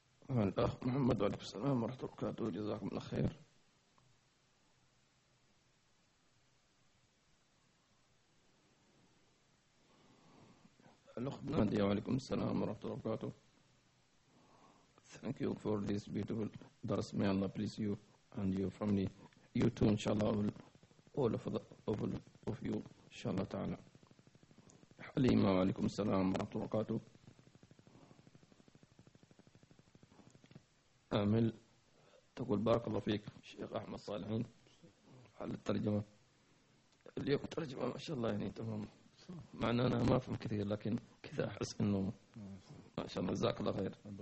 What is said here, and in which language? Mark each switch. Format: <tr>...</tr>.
<ar>الأخ محمد وعليكم السلام ورحمة الله وبركاته، جزاكم الله خير. الأخ جمادي وعليكم السلام ورحمة الله وبركاته.</ar> <en>Thank you for this beautiful درس. May Allah bless you and your family. You too, inshallah, all of the all of you, inshallah تعالى.</en> <ar>حليمة وعليكم السلام ورحمة الله وبركاته. أمل تقول بارك الله فيك شيخ أحمد صالحين على الترجمة اليوم. ترجمة ما شاء الله يعني تمام، مع أن أنا ما أفهم كثير لكن كذا أحس إنه ما شاء الله. جزاك الله خير.</ar>